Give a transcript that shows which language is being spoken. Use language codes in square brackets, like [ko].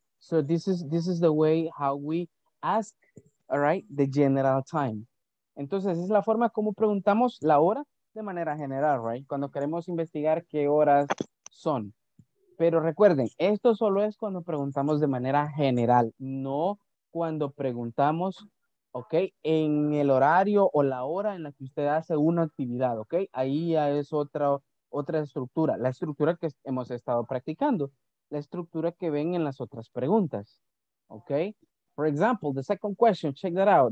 [en] So this is the way how we ask, all right, the general time. [es] Entonces, es la forma como preguntamos la hora de manera general, right? Cuando queremos investigar qué horas son. Pero recuerden, esto solo es cuando preguntamos de manera general, no cuando preguntamos, ok, en el horario o la hora en la que usted hace una actividad, ok? Ahí ya es otra estructura, la estructura que hemos estado practicando. La estructura que ven en las otras preguntas. ¿Ok? [en] For example, the second question, check that out.